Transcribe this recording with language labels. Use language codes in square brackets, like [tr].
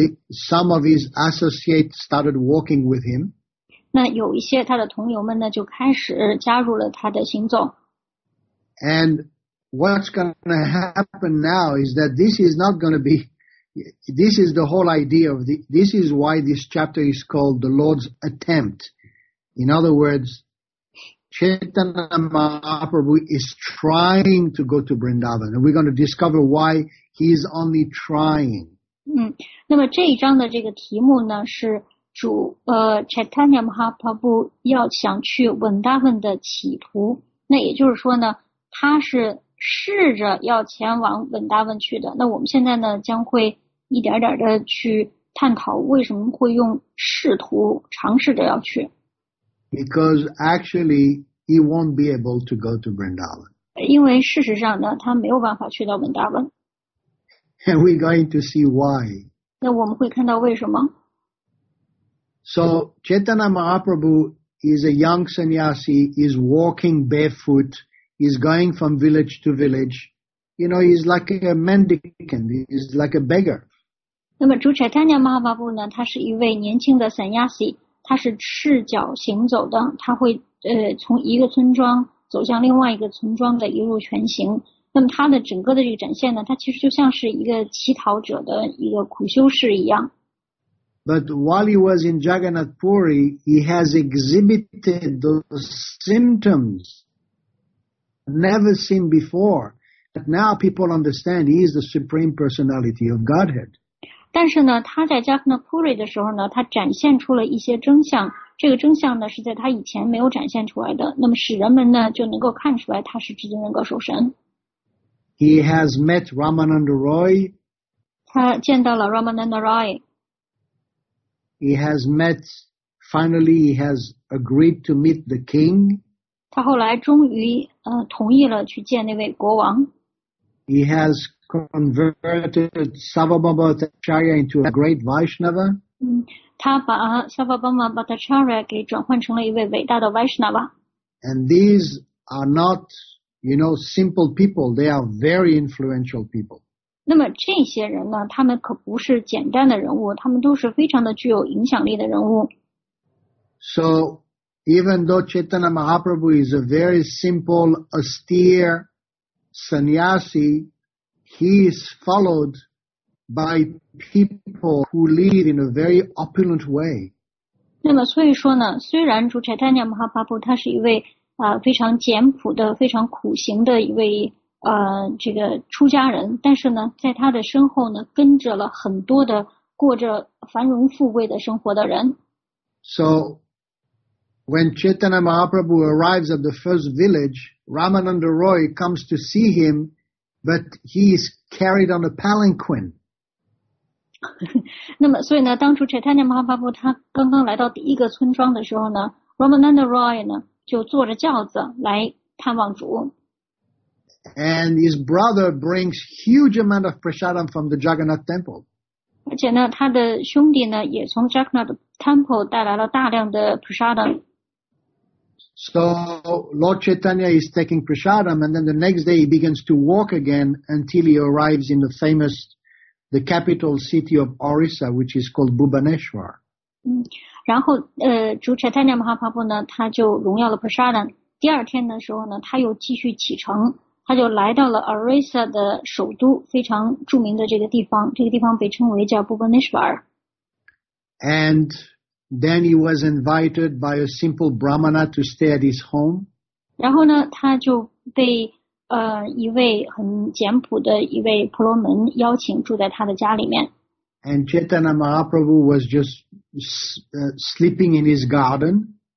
[en] Some of his associates started walking with him. [zh] 那有一些他的同友们呢，就开始加入了他的行踪。 [en] And what's going to happen now is that this is not going to be. This is the whole idea of the. This is why this chapter is called the Lord's attempt. In other words, Chaitanya Mahaprabhu is trying to go to Vrindavan, and we're going to discover why he is only trying. [zh] 那么这一章的这个题目呢是主Chaitanya Mahaprabhu 要想去稳大问的企图，那也就是说呢他是试着要前往稳大问去的，那我们现在呢将会一点点的去探讨为什么会用试图尝试着要去。 [en] Because actually he won't be able to go to Vrindavan. [zh] 因为事实上呢他没有办法去到稳大问。 [en] And we're going to see why. [zh] 那我们会看到为什么。 [en] So, Chaitanya Mahaprabhu is a young sannyasi, is walking barefoot, is going from village to village. You know, he's like a mendicant, he's like a beggar. [zh] 那么主 Chaitanya Mahaprabhu 呢他是一位年轻的 sannyasi, 他是赤脚行走的，他会从一个村庄走向另外一个村庄的一路全行。那么他的整个的这个展现呢，他其实就像是一个乞讨者的一个苦修士一样。 [en] But while he was in Jagannath Puri, he has exhibited those symptoms never seen before. But now people understand he is the supreme personality of Godhead. [zh] 但是呢，他在 Jagannath Puri 的时候呢，他展现出了一些征象。这个征象呢，是在他以前没有展现出来的。那么使人们呢，就能够看出来他是至尊人格受神。 [en] He has met Ramananda Roy. [zh] 他见到了 Ramananda Roy. [en] He has met, finally he has agreed to meet the king. [zh] 他后来终于同意了去见那位国王。 [en] He has converted Sarvabhaumacharya into a great Vaishnava. [zh] 他把 Sarvabhaumacharya 给转换成了一位伟大的 Vaishnava. [en] And these are not... You know, simple people, they are very influential people. [zh] 那么这些人呢，他们可不是简单的人物，他们都是非常的具有影响力的人物。 [en] So, even though Chaitanya Mahaprabhu is a very simple, austere sannyasi, he is followed by people who live in a very opulent way. [zh] 那么所以说呢，虽然主 Chaitanya Mahaprabhu 他是一位非常简朴的非常苦行的一位这个出家人，但是呢在他的身后呢跟着了很多的过着繁荣富贵的生活的人。 [en] So, when Chaitanya Mahaprabhu arrives at the first village, Ramananda Roy comes to see him, but he is carried on a palanquin. [zh] 那么所以呢当初 Chaitanya Mahaprabhu 他刚刚来到第一个村庄的时候呢 Ramananda Roy 呢就坐着轿子来探望主。 [en] And his brother brings huge amount of prasadam from the Jagannath Temple. [zh] 而且呢他的兄弟呢也从 Jagannath Temple 带来了大量的 prasadam. [en] So Lord Chaitanya is taking prasadam and then the next day he begins to walk again until he arrives in the capital city of Orissa, which is called Bhubaneswar. [zh] 然后主 Chaitanya Mahaprabhu 呢他就荣耀了 prasadam. 第二天的时候呢他又继续启程。他就来到了 Orissa 的首都，非常著名的这个地方。这个地方被称为叫 Bhubaneswar。 [en] And then he was invited by a simple brahmana to stay at his home. [zh] 然后呢，他就被一位很简朴的一位婆罗门邀请住在他的家里面。 [en] And Chaitanya Mahaprabhu was just sleeping in his garden.